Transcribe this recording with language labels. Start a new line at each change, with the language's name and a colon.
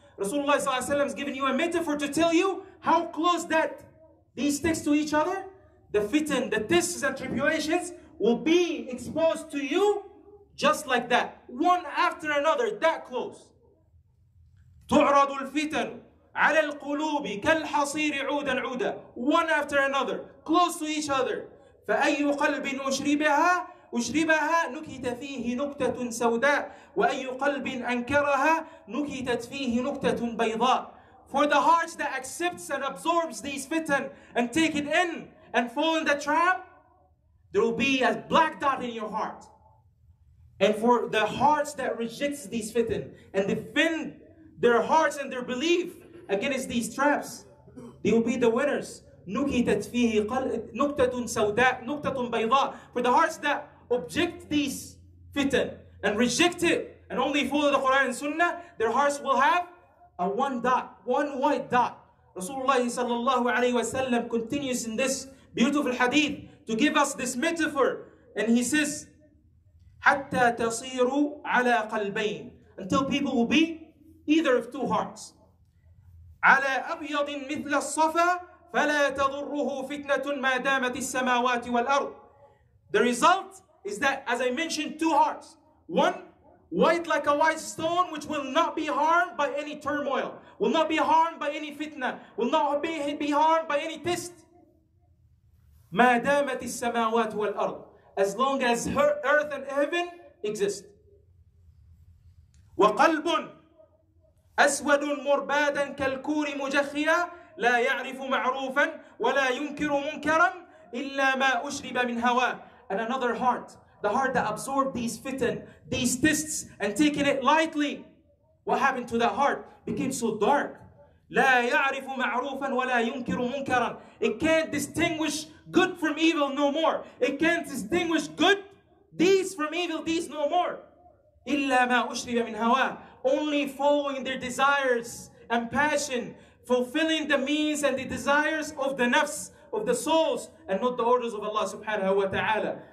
English: Rasulullah ﷺ has given you a metaphor to tell you how close that these sticks to each other, the fitan, the tests and tribulations will be exposed to you just like that, one after another, that close.
Arabic: تعرض الفتن على القلوب كالحصير عودا عودا,
English: one after another, close to each other.
Arabic: فأي قلب أشربها أشربها نكت فيه نكتة سوداء, وأي قلب أنكرها نكتت فيه نكتة بيضاء.
English: For the heart that accepts and absorbs these fitan and take it in and fall in the trap, there will be a black dot in your heart. And for the hearts that rejects these fitan and defend their hearts and their belief against these traps, they will be the winners.
Arabic: نكتت فيه نكتة سوداء نكتة بيضاء.
English: For the hearts that object these fitan and reject it and only follow the Quran and Sunnah, their hearts will have a one dot, one white dot. Rasulullah sallallahu alayhi wa sallam continues in this beautiful hadith to give us this metaphor. And he says,
Arabic: حتى تصير على قلبين,
English: until people will be either of two hearts.
Arabic: على أبيض مثل الصفا فلا تضره فتنة ما دامت السماوات والأرض.
English: The result is that, as I mentioned, two hearts. One, white like a white stone, which will not be harmed by any turmoil, will not be harmed by any fitna, will not be harmed by any test.
Arabic: ما دامت السماوات والأرض,
English: as long as her earth and heaven exist.
Arabic: وقلب أسود مربادا كالكور مجخيا لا يعرف معروفا ولا ينكر منكرا إلا ما أشرب من هواء.
English: And another heart, the heart that absorbed these fitan, these tests, and taking it lightly. What happened to that heart? It became so dark.
Arabic: لا يعرف معروفا ولا ينكر منكرا.
English: It can't distinguish good from evil no more. It can't distinguish good deeds from evil deeds no more.
Arabic: إلا ما أشرب من هواء.
English: Only following their desires and passion, fulfilling the means and the desires of the nafs, of the souls, and not the orders of Allah subhanahu wa ta'ala.